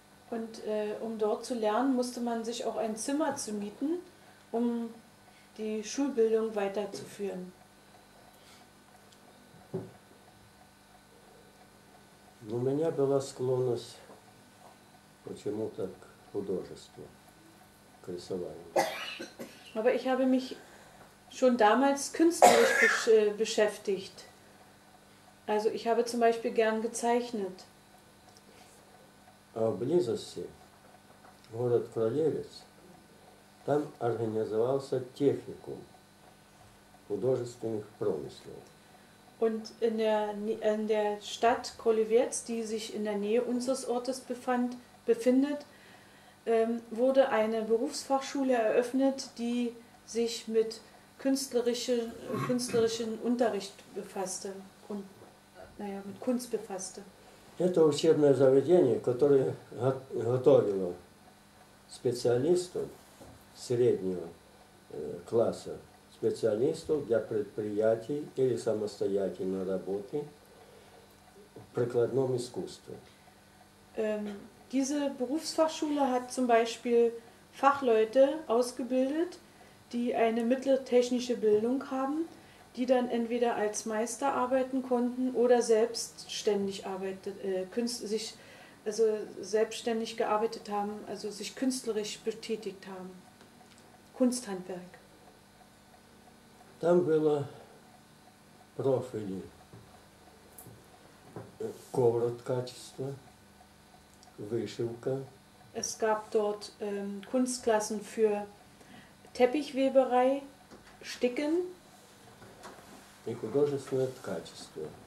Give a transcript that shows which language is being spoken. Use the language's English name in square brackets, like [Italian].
[German] Und um dort zu lernen, musste man sich auch ein Zimmer zu mieten, um die Schulbildung weiterzuführen. [Russian] У меня была склонность почему-то к художеству, к рисованию. [German] Aber ich habe mich schon damals künstlerisch beschäftigt. Also ich habe zum Beispiel gern gezeichnet. [Russian] А в близости, город Кролевец, там организовался техникум художественных промыслов. [German] Und in der Stadt Kolewiec, die sich in der Nähe unseres Ortes befindet, wurde eine Berufsfachschule eröffnet, die sich mit künstlerischen Unterricht befasste und mit Kunst befasste. [Russian] Это учебное заведение, которое готовило специалистов среднего класса, специалистов для предприятий или самостоятельной работы в прикладном искусстве. [German] Diese Berufsfachschule hat zum Beispiel Fachleute ausgebildet, die eine mitteltechnische Bildung haben, die dann entweder als Meister arbeiten konnten oder selbstständig gearbeitet haben, also sich künstlerisch betätigt haben. Kunsthandwerk. [Russian] Там было профили ковроткачества, вышивка. [German] Es gab dort Kunstklassen für Teppichweberei, Sticken. [Russian] И художественное качество.